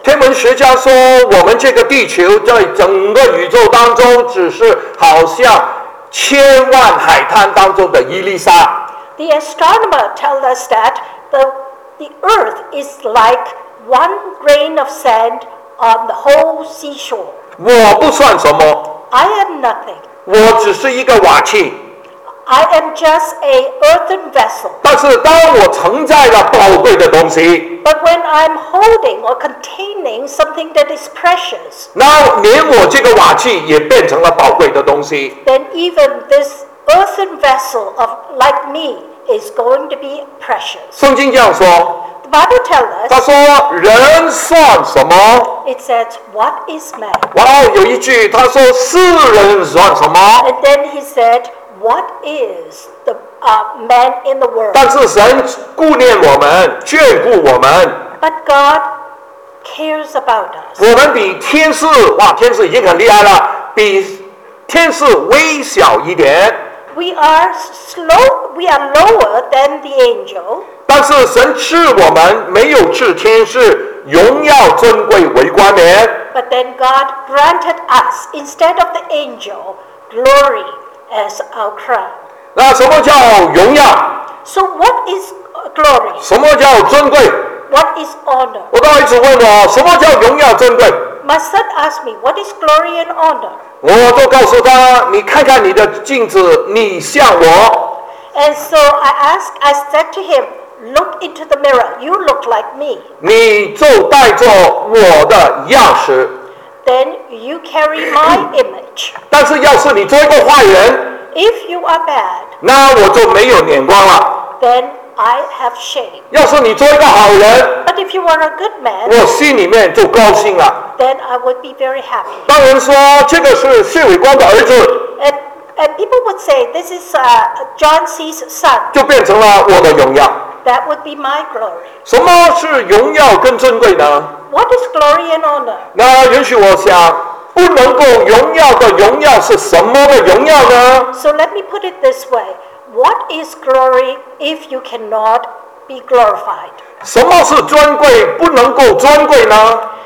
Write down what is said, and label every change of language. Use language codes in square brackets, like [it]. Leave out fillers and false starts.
[zh] 天文学家说我们这个地球在整个宇宙当中只是好像千万海滩当中的一粒沙。 [en] The astronomer tells us that the earth is like one grain of sand on the whole seashore. [zh] 我不算什么。 [en] I am nothing. [zh] 我只是一个瓦器。 [en] I am just an earthen vessel. [zh] 但是当我承载了宝贵的东西 [en] But when I'm holding or containing something that is precious, [zh] 那连我这个瓦器也变成了宝贵的东西 [en] then even this earthen vessel of like me is going to be precious. [zh] 圣经这样说 [en] The Bible tells us, [zh] 他说人算什么 [en] It says, what is man? [zh] 哇、wow, 有一句他说世人算什么 [en] And then he said,What is the man in the world? [zh] 但是神顾念我们，眷顾我们。 [en] But God cares about us. [zh] 我们比天使，哇，天使已经很厉害了，比天使微小一点。 [en] We are lower than the angel. [zh] 但是神赐我们，没有赐天使荣耀尊贵为冠冕。 [en] But then God granted us instead of the angel glory. As our crown. [zh] 那什么叫荣耀? [en] So what is glory? [zh] 什么叫尊贵? [en] What is honor? [zh] 我刚才一直问我什么叫荣耀尊贵? [en] My son asked me, what is glory and honor? [zh] 我都告诉他,你看看你的镜子,你像我。 [en] And so I said to him, look into the mirror, you look like me. [zh] 你就带着我的样式。 [en] Then you carry my image. [zh] 但是要是你做一个坏人 [en] If you are bad, [zh] 那我就没有眼光了 [en] Then I have shame. [zh] 要是你做一个好人 [en] But if you are a good man, [zh] 我心里面就高兴了 [en] Then I would be very happy. [zh] 当人说这个是谢伟光的儿子 [en] And people would say, this is John C's son. [zh] 就变成了我的荣耀 [en] That would be my glory. [zh] 什么是荣耀跟尊贵呢？ [en] What is glory and honor? [zh] 那允许我想，不能够荣耀的荣耀是什么的荣耀呢？ [en] So let me put it this way. What is glory if you cannot be glorified? [zh] 什么是尊贵不能够尊贵呢？